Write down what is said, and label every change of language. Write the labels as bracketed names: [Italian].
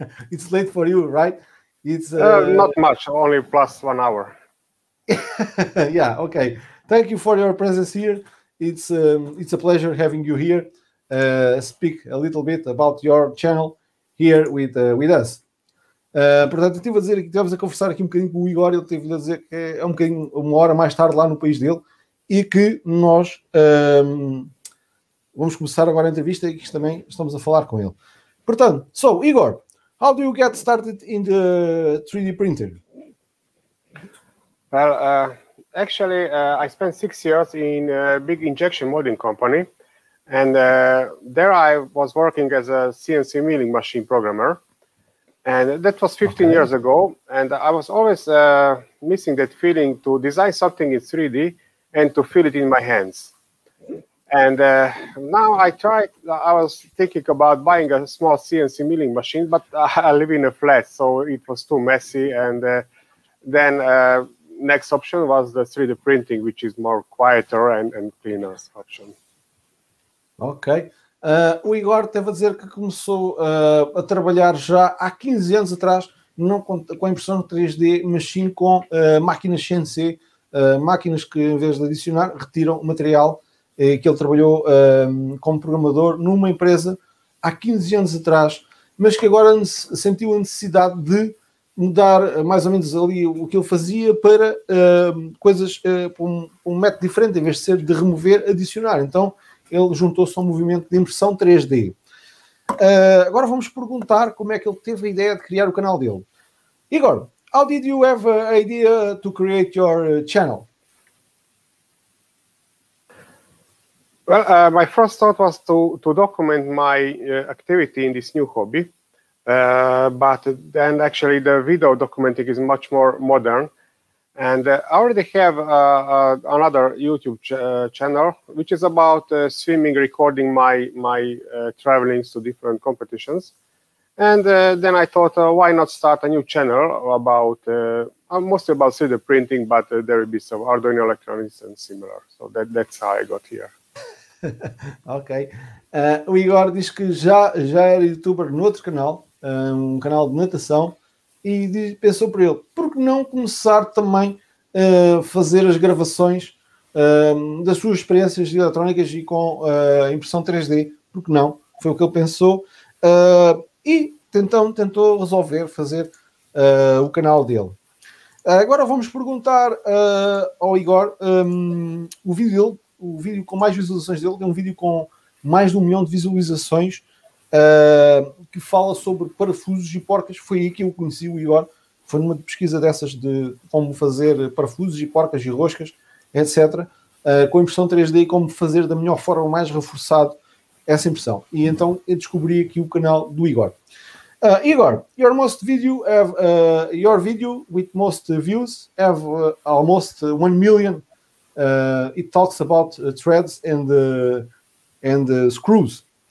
[English] It's late for you, right? It's not much, only plus 1 hour. Yeah, okay. Thank you for your presence here. It's a pleasure having you here. Speak a little bit about your channel here with us. [Portuguese] Portanto, eu estive a dizer que estivemos a conversar aqui um bocadinho com o Igor, ele teve a dizer que é um bocadinho uma hora mais tarde lá no país dele e que nós vamos começar agora a entrevista e que também estamos a falar com ele. Portanto, [English] so Igor, how do you get started in the 3D printer? Well, actually, I spent 6 years in a big injection molding company And there I was working as a CNC milling machine programmer. And that was 15 okay. years ago. And I was always missing that feeling to design something in 3D and to feel it in my hands. And now I was thinking about buying a small CNC milling machine, but I live in a flat, so it was too messy. And then next option was the 3D printing, which is more quieter and cleaner option. Okay. [Portuguese] O Igor teve a dizer que começou a trabalhar já há 15 anos atrás com a impressão 3D, mas sim com máquinas CNC, máquinas que em vez de adicionar, retiram material, que ele trabalhou como programador numa empresa há 15 anos atrás, mas que agora sentiu a necessidade de mudar mais ou menos ali o que ele fazia para coisas, para um método diferente, em vez de ser de remover, adicionar. Então, ele juntou-se ao movimento de impressão 3D. Agora vamos perguntar como é que ele teve a ideia de criar o canal dele. [English] Igor, how did you have an idea to create your channel? Well, my first thought was to document my activity in this new hobby. But then actually the video documenting is much more modern. And I already have another YouTube channel, which is about swimming, recording my travelings to different competitions. And then I thought, why not start a new channel about mostly about 3D printing, but there will be some Arduino electronics and similar. So that's how I got here. Ok. [Portuguese] O Igor diz que já era youtuber no outro canal, um canal de natação, e pensou para ele, por que não começar também a fazer as gravações das suas experiências eletrónicas e com impressão 3D? Por que não? Foi o que ele pensou. E tentou resolver fazer o canal dele. Agora vamos perguntar ao Igor o vídeo dele. O vídeo com mais visualizações dele, tem um vídeo com mais de 1 milhão de visualizações que fala sobre parafusos e porcas. Foi aí que eu conheci o Igor, foi numa pesquisa dessas de como fazer parafusos e porcas e roscas, etc. Com impressão 3D e como fazer da melhor forma, mais reforçado, essa impressão. E então eu descobri aqui o canal do Igor. [English] Igor, your most video have, your video with most views have almost 1 million. It talks about threads and screws.